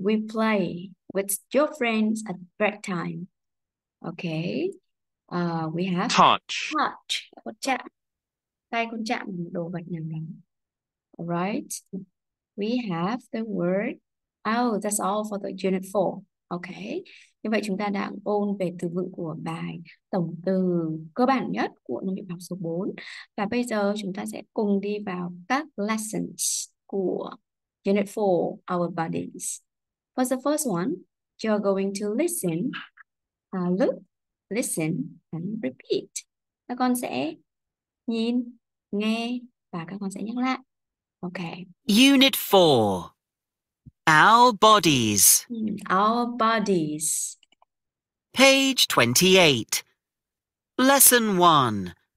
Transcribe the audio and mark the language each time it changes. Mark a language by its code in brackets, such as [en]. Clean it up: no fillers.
[en] We play with your friends at break time. Okay. We have Touch. [vi] touch. Con chạm. Tay con chạm đồ vật nào đó. [en] All right. We have the word. Oh, that's all for the unit 4. Okay. [vi] Như vậy chúng ta đã ôn về từ vựng của bài tổng từ cơ bản nhất của đơn vị học số 4. Và bây giờ chúng ta sẽ cùng đi vào các lessons của unit 4, our bodies. [en] What's the first one? You're going to listen, look, listen, and repeat. [vi] Các con sẽ nhìn, nghe, và các con sẽ nhắc lại. [en] Okay. Unit 4. Our bodies. Our bodies. Page 28. Lesson 1.